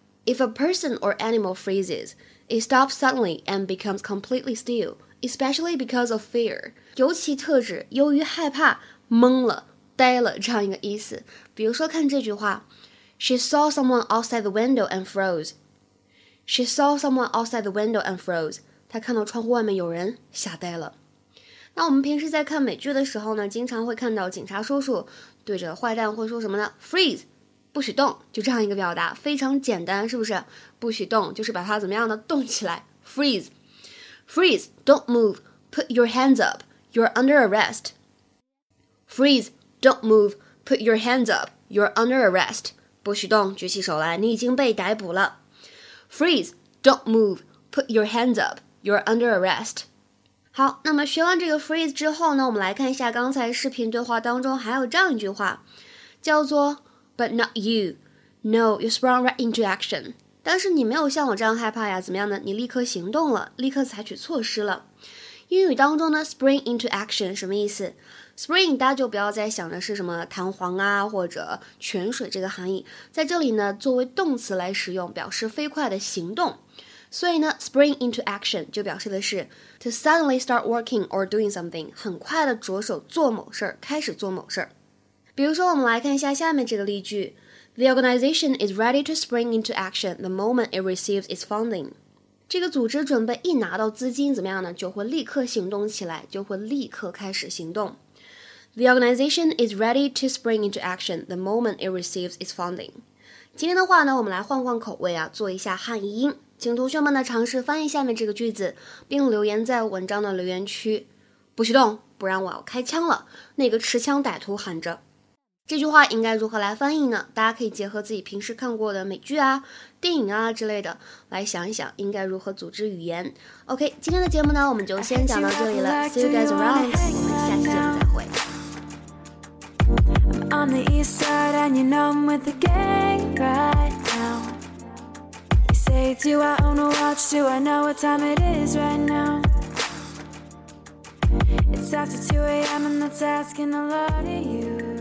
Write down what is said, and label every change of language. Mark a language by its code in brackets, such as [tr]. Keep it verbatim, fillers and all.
[en] If a person or animal freezes, it stops suddenly and becomes completely still, especially because of fear. [zh] 尤其特指由于害怕、懵了、呆了这样一个意思。比如说看这句话 ， She saw someone outside the window and froze. [en] She saw someone outside the window and froze. [zh] 她看到窗户外面有人，吓呆了。那我们平时在看美剧的时候呢，经常会看到警察叔叔对着坏蛋会说什么呢？ Freeze， 不许动，就这样一个表达，非常简单，是不是？不许动，就是把它怎么样呢？动起来 ，freeze。 [en] Freeze, don't move, put your hands up, you're under arrest. Freeze, don't move, put your hands up, you're under arrest. [zh] 不许动，举起手来，你已经被逮捕了。 [en] Freeze, don't move, put your hands up, you're under arrest. [zh] 好，那么学完这个 freeze 之后呢，我们来看一下刚才视频对话当中还有这样一句话，叫做 But not you. [en] No, you sprung right into action. [zh] 但是你没有像我这样害怕呀，怎么样呢？你立刻行动了，立刻采取措施了。英语当中呢 spring into action 什么意思？ spring 大家就不要再想的是什么弹簧啊或者泉水这个含义，在这里呢作为动词来使用，表示飞快的行动。所以呢 spring into action 就表示的是 to suddenly start working or doing something，很快的着手做某事儿，开始做某事儿。比如说我们来看一下下面这个例句 The organization is ready to spring into action the moment it receives its funding。这个组织准备一拿到资金怎么样呢，就会立刻行动起来，就会立刻开始行动。 [en] The organization is ready to spring into action the moment it receives its funding. [zh] 今天的话呢，我们来换换口味啊，做一下汉译英。请同学们呢尝试翻译下面这个句子，并留言在文章的留言区。不许动，不然我要开枪了！那个持枪歹徒喊着。这句话应该如何来翻译呢？大家可以结合自己平时看过的美剧啊、电影啊之类的来想一想应该如何组织语言。 OK， 今天的节目呢我们就先讲到这里了。 See you guys around，我们下期节目再会。 [en] I'm on the east side and you know I'm with the gang right now. You say do I own a watch, do I know what time it is right now. It's after two a.m. and that's asking a lot of you.